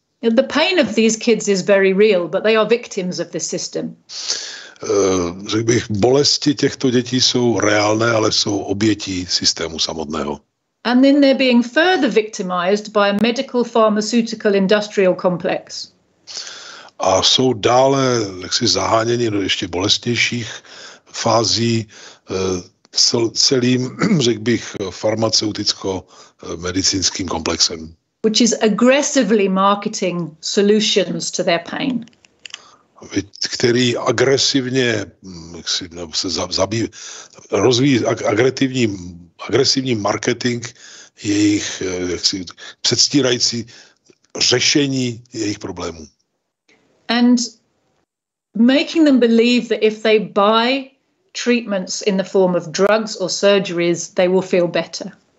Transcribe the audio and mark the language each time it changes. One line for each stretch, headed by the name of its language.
English: The pain of these kids is very real, but they are victims of the system.
Czech: Řekl bych, bolesti těchto dětí jsou reálné, ale jsou obětí systému samotného.
English: And then they're being further victimized by a medical pharmaceutical industrial complex.
Czech: A jsou dále jaksi zaháněni do ještě bolestnějších fází celým, řekl bych, farmaceuticko-medicínským komplexem.
English: Which is aggressively marketing solutions to their pain.
Czech: Který agresivně se rozvíjí agresivní marketing jejich jaksi předstírající řešení jejich problémů.
English: And making them believe that if they buy treatments in the form of drugs or surgeries, they will feel better.